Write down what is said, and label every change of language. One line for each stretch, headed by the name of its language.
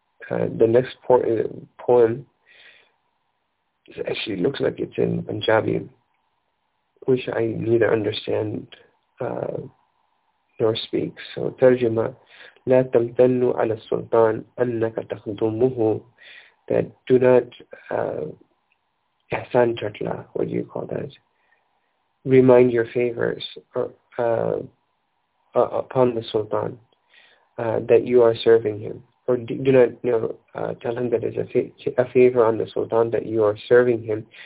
English: The next poem actually looks like it's in Punjabi, which I neither understand nor speak. So, tarjuma,
Arabic: لَا تَمْتَنُّ عَلَى السُّلْطَانِ أَنَّكَ تَخْدُمُهُ.
English: That do not ihsan tatla, what do you call that? Remind your favors upon the Sultan that you are serving him. Or do not, you know, tell him that it's a favor on the Sultan that you are serving him.